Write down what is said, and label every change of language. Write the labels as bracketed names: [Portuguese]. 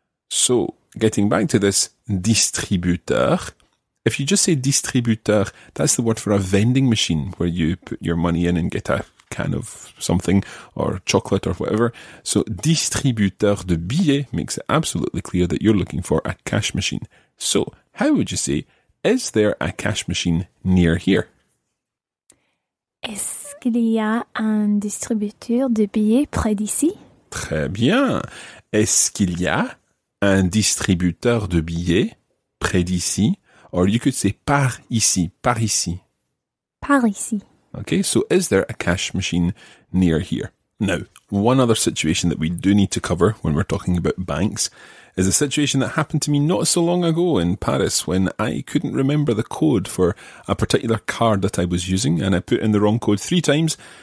[English] So, getting back to this distributeur, if you just say distributeur, that's the word for a vending machine where you put your money in and get a can of something or chocolate or whatever. So, [French] distributeur de billets [English] makes it absolutely clear that you're looking for a cash machine. So, how would you say, is there a cash machine near here? [French] Est-ce qu'il y a un distributeur de billets près d'ici? Très bien. Est-ce qu'il y a un distributeur de billets près d'ici? [English] Or you could say [French] par ici, par ici. Par ici. [English] Okay, so is there a cash machine near here? Now, one other situation that we do need to cover when we're talking about banks is a situation that happened to me not so long ago in Paris when I couldn't remember the code for a particular card that I was using and I put in the wrong code three times